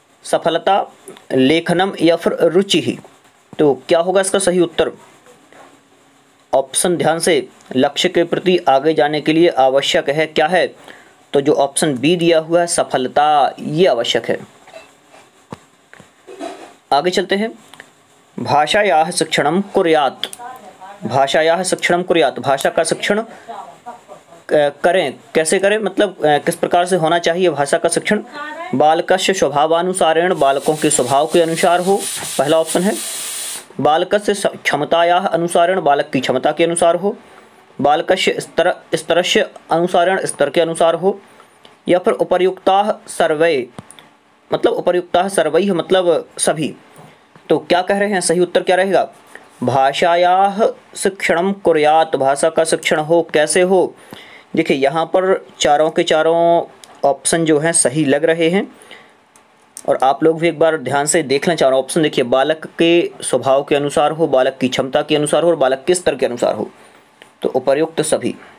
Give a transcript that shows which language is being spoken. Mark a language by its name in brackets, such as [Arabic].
[Hindi] सफलता, लेखनम या फिर रुचि ही। तो क्या होगा इसका सही उत्तर? ऑप्शन ध्यान से, लक्ष्य के प्रति आगे जाने के लिए आवश्यक है क्या है? तो जो ऑप्शन बी दिया हुआ है, सफलता, ये आवश्यक है। आगे चलते हैं, [Sanskrit] भाषायाः शिक्षणम् कुर्यात्। भाषायाः शिक्षणम् कुर्यात्, [Hindi] भाषा का शिक्षण करें, कैसे करें मतलब किस प्रकार से होना चाहिए भाषा का शिक्षण? [Sanskrit] बालकस्य स्वभावानुसारेण, [Hindi] बालकों के स्वभाव के अनुसार हो, पहला ऑप्शन है। [Sanskrit] बालकस्य क्षमतायाः अनुसारेण, [Hindi] बालक की क्षमता के अनुसार हो। [Sanskrit] बालकस्य स्तरस्य अनुसारेण, [Hindi] स्तर के अनुसार हो। या फिर [Sanskrit] उपर्युक्ताः सर्वे [Hindi] मतलब [Sanskrit] उपर्युक्ताः सर्वैः [Hindi] मतलब सभी। तो क्या कह रहे हैं, सही उत्तर क्या रहेगा? [Sanskrit] भाषायाः शिक्षणम् कुर्यात्, [Hindi] भाषा का शिक्षण हो, कैसे हो? देखिए यहाँ पर चारों के चारों ऑप्शन जो हैं सही लग रहे हैं, और आप लोग भी एक बार ध्यान से देख लें चारों ऑप्शन। देखिए, बालक के स्वभाव के अनुसार हो, बालक की क्षमता के अनुसार हो, और बालक के स्तर के अनुसार हो, तो उपर्युक्त सभी।